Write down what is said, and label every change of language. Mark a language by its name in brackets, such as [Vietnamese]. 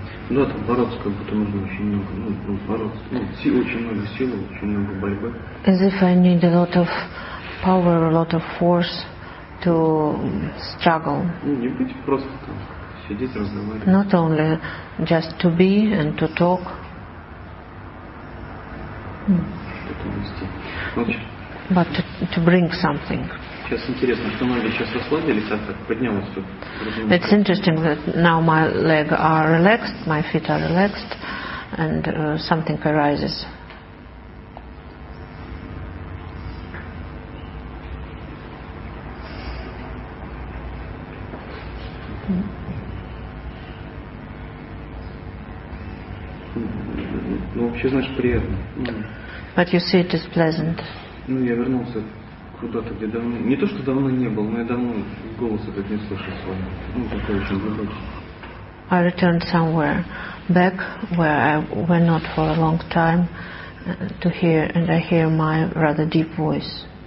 [Russian] Да, там бороться как будто нужно очень много, очень много силы, очень много борьбы. [English] As if I need a lot of power, a lot of force to struggle. [Russian] Не быть просто там, сидеть, разговаривать. [English] Not only just to be and to talk. [Russian] Что-то вести. [English] But to bring something. [Russian] Сейчас интересно, что ноги сейчас расслабились, а так поднялось тут. [English] It's interesting that now my legs are relaxed, my feet are relaxed, and something arises. [Russian] Ну вообще, знаешь, приятно. [English] But you see, it is pleasant. [Russian] Ну я вернулся. Куда-то, где давно. Не то, что давно не был, но я давно голос этот не слышал с вами. Ну, такой очень глубокий. [English] I returned somewhere back where I went not for a long time to hear, and I hear my rather deep voice.